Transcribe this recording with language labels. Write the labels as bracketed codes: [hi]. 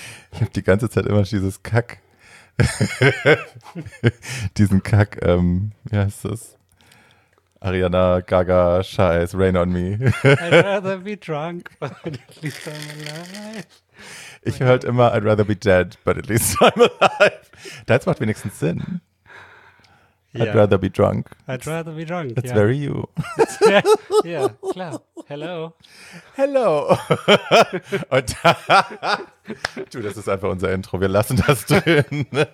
[de] Ich habe die ganze Zeit immer dieses Kack. Diesen Kack, wie heißt das? Ariana Gaga, Scheiß, Rain on Me. [en] I'd rather be drunk, but at least I'm alive. [de] Ich höre halt immer, [en] I'd rather be dead, but at least I'm alive. [de] Das macht wenigstens Sinn. [en] Yeah. I'd rather be drunk. I'd rather be drunk, that's very you. [de] Ja, klar. [en] Hello. Hello. [de] Und du, das ist einfach unser Intro. Wir lassen das drin.